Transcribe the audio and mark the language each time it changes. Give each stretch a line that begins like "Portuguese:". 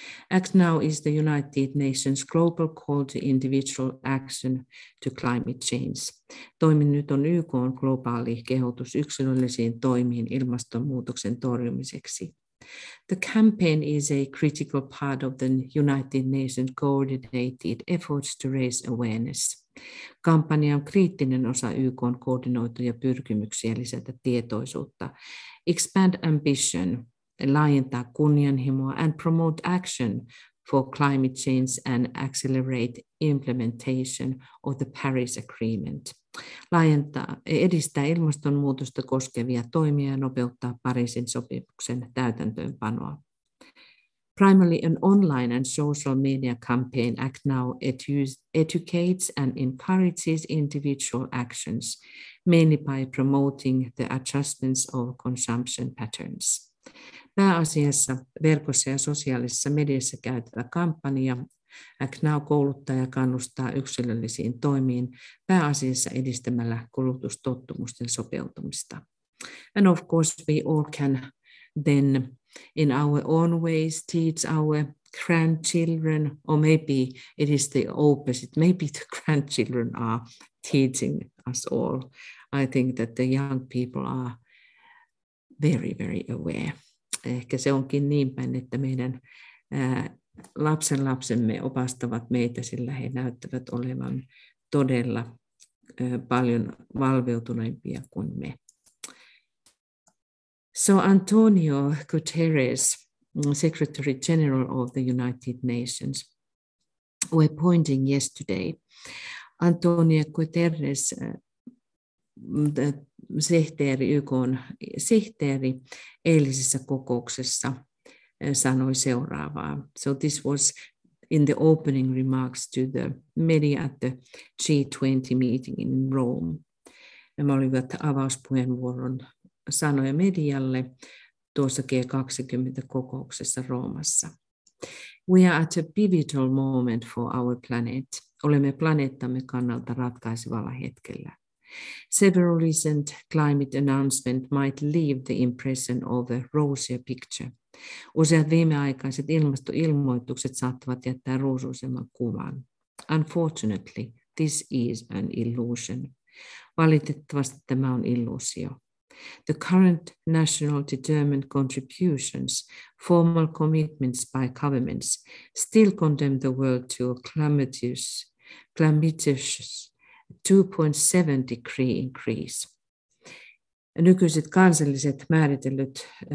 English: Act Now is the United Nations Global Call to Individual Action to Climate Change.
Finnish: Toimin nyt on YK:n globaali kehotus yksilöllisiin toimiin ilmastonmuutoksen torjumiseksi.
English: The campaign is a critical part of the United Nations coordinated efforts to raise awareness.
Finnish: Kampanja on kriittinen osa YK:n koordinoituja pyrkimyksiä lisätä tietoisuutta.
English: Expand ambition,
Finnish: laajentaa kunnianhimoa,
English: and promote action for climate change and accelerate implementation of the Paris Agreement.
Finnish: Laajentaa, edistää ilmastonmuutosta koskevia toimia ja nopeuttaa Pariisin sopimuksen täytäntöönpanoa.
English: Primarily an online and social media campaign, Act Now educates and encourages individual actions, mainly by promoting the adjustments of consumption patterns.
Finnish: Pääasiassa verkossa ja sosiaalisessa mediassa käytävä kampanja Act Now kouluttaa ja kannustaa yksilöllisiin toimiin pääasiassa edistämällä kulutustottumusten sopeutumista.
English: And of course we all can then in our own ways teach our grandchildren, or maybe it is the opposite, maybe the grandchildren are teaching us all. I think that the young people are very, very aware.
Finnish: Ehkä se onkin niin päin, että meidän lapsenlapsemme opastavat meitä, sillä he näyttävät olevan todella paljon valveutuneempia kuin me.
English: So Antonio Guterres, Secretary General of the United Nations, were pointing yesterday.
Finnish: Antonio Guterres, sihteeri, YK:n sihteeri, eilisessä kokouksessa sanoi seuraavaa.
English: So this was in the opening remarks to the media at the G20 meeting in Rome.
Finnish: Nämä olivat avauspuheenvuoron sanoja medialle tuossa G20-kokouksessa Roomassa.
English: We are at a pivotal moment for our planet.
Finnish: Olemme planeettamme kannalta ratkaisevalla hetkellä.
English: Several recent climate announcements might leave the impression of a rosier picture.
Finnish: Useat viimeaikaiset ilmastoilmoitukset saattavat jättää ruusuisemman kuvan.
English: Unfortunately, this is an illusion.
Finnish: Valitettavasti tämä on illuusio.
English: The current national determined contributions, formal commitments by governments, still condemn the world to a calamitous 2.7 degree increase.
Finnish: Nykyiset kansalliset määritellyt